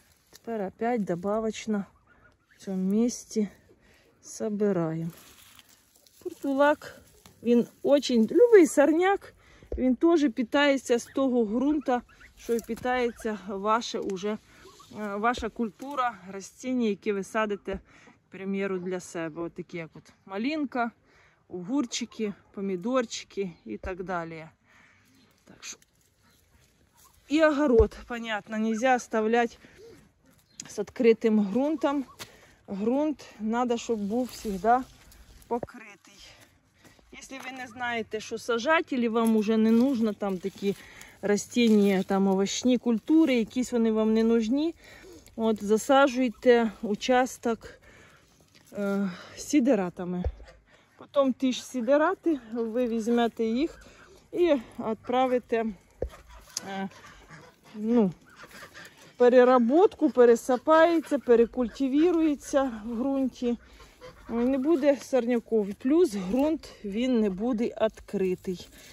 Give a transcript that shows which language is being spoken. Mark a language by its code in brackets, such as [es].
[uk] Тепер опять добавочно в цьому місці собираємо. Портулак, він очень, любий сорняк, він теж питається з того ґрунта, що і питається ваше уже, ваша культура, растіння, які ви садите, к примеру, для себе. Ось такі, як от малинка. [ru] Огурчики, помидорчики и так далее. Так что... И огород, понятно, нельзя оставлять с открытым грунтом. Грунт надо, чтобы был всегда покрытый. Если вы не знаете, что сажать, или вам уже не нужно там такие растения, там овощные культуры, какие-то они вам не нужны, вот засаживайте участок сидератами. [uk] Потом ті ж сідерати, ви візьмете їх і відправите, ну, переробку, пересипається, перекультивується в ґрунті. Не буде сорняков. Плюс ґрунт, він не буде відкритий.